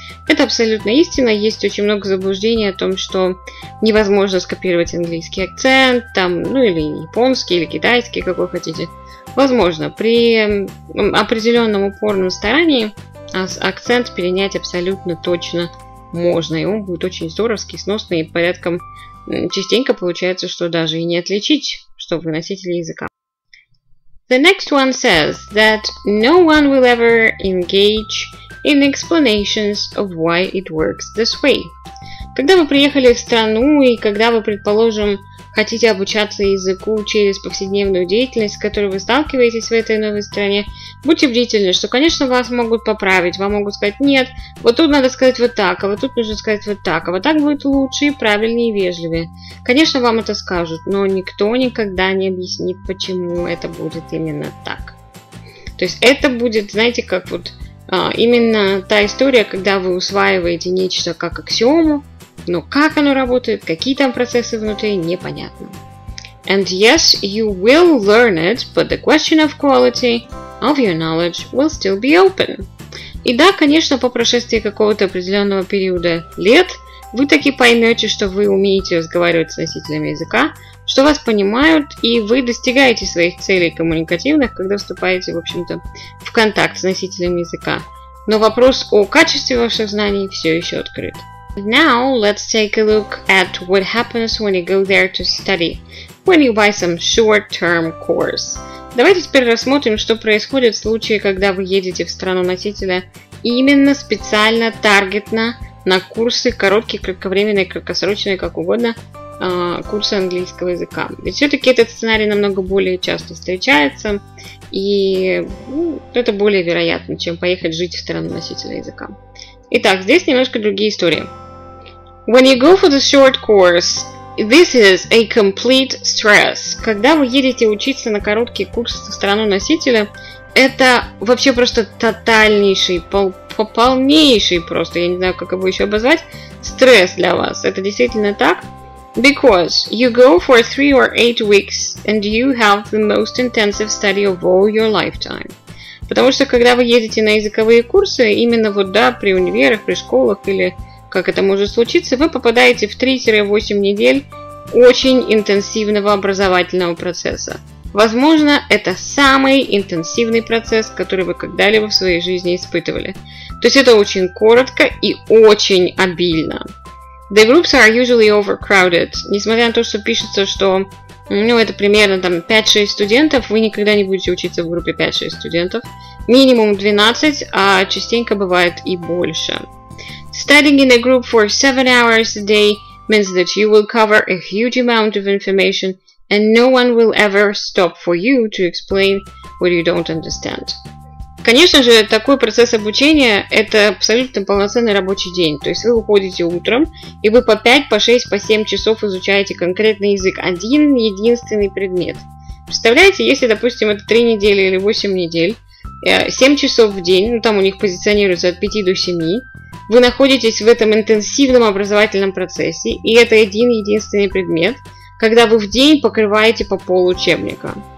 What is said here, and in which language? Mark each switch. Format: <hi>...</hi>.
<ru>Это абсолютно истина, есть очень много заблуждений о том, что невозможно скопировать английский акцент, там, ну или японский, или китайский, какой хотите. Возможно, при определенном упорном старании акцент перенять абсолютно точно можно, и он будет очень здоровский, сносный, и порядком частенько получается, что даже и не отличить, что вы носитель языка.</ru> <en>The next one says that no one will ever engage in explanations of why it works this way.</en> <ru>Когда вы приехали в страну и когда вы, предположим, хотите обучаться языку через повседневную деятельность, с которой вы сталкиваетесь в этой новой стране, будьте бдительны, что, конечно, вас могут поправить, вам могут сказать «нет, вот тут надо сказать вот так, а вот тут нужно сказать вот так, а вот так будет лучше и правильнее и вежливее». Конечно, вам это скажут, но никто никогда не объяснит, почему это будет именно так. То есть это будет, знаете, как вот именно та история, когда вы усваиваете нечто как аксиому, но как оно работает, какие там процессы внутри, непонятно.</ru> <en>And yes, you will learn it, but the question of quality of your knowledge will still be open.</en> <ru>И да, конечно, по прошествии какого-то определенного периода лет, вы таки поймете, что вы умеете разговаривать с носителями языка, что вас понимают, и вы достигаете своих целей коммуникативных, когда вступаете, в общем-то, в контакт с носителем языка. Но вопрос о качестве ваших знаний все еще открыт.</ru> <en>Now let's take a look at what happens when you go there to study, when you buy some short-term course.</en> <ru>Давайте теперь рассмотрим, что происходит в случае, когда вы едете в страну носителя именно специально, таргетно, на курсы, короткие, кратковременные, краткосрочные, как угодно, курсы английского языка. Ведь все-таки этот сценарий намного более часто встречается, и ну, это более вероятно, чем поехать жить в страну носителя языка. Итак, здесь немножко другие истории.</ru> <en>When you go for the short course, this is a complete stress.</en> <ru>Когда вы едете учиться на короткие курсы в страну носителя, это вообще просто тотальнейший, полнейший просто, я не знаю, как его еще обозвать, стресс для вас. Это действительно так?</ru> <en>Because you go for 3 or 8 weeks and you have the most intensive study of all your lifetime.</en> <ru>Потому что, когда вы едете на языковые курсы, именно вот, да, при универах, при школах или как это может случиться, вы попадаете в 3-8 недель очень интенсивного образовательного процесса. Возможно, это самый интенсивный процесс, который вы когда-либо в своей жизни испытывали. То есть это очень коротко и очень обильно.</ru> <en>The groups are usually overcrowded.</en> <ru>Несмотря на то, что пишется, что это примерно там 5-6 студентов, вы никогда не будете учиться в группе 5-6 студентов. Минимум 12, а частенько бывает и больше.</ru> <en>Studying in a group for 7 hours a day means that you will cover a huge amount of information and no one will ever stop for you to explain what you don't understand.</en> <ru>Конечно же, такой процесс обучения – это абсолютно полноценный рабочий день. То есть вы уходите утром, и вы по 5, по 6, по 7 часов изучаете конкретный язык. Один единственный предмет. Представляете, если, допустим, это 3 недели или 8 недель, 7 часов в день, там у них позиционируется от 5 до 7, вы находитесь в этом интенсивном образовательном процессе, и это один единственный предмет, когда вы в день покрываете по полуучебника.</ru>